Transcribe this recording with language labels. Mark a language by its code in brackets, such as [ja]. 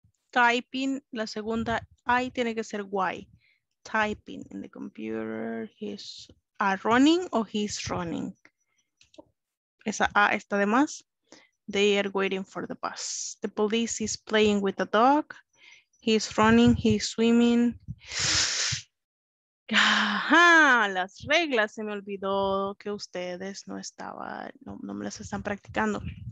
[es] Typing, la segunda I tiene que ser Y. [en] Typing in the computer, he's running o he's running. [es] Esa A está de más. [en] They are waiting for the bus. The police is playing with the dog. He's running, he's swimming. [es] Ajá, las reglas, se me olvidó que ustedes no estaban, no me las están practicando.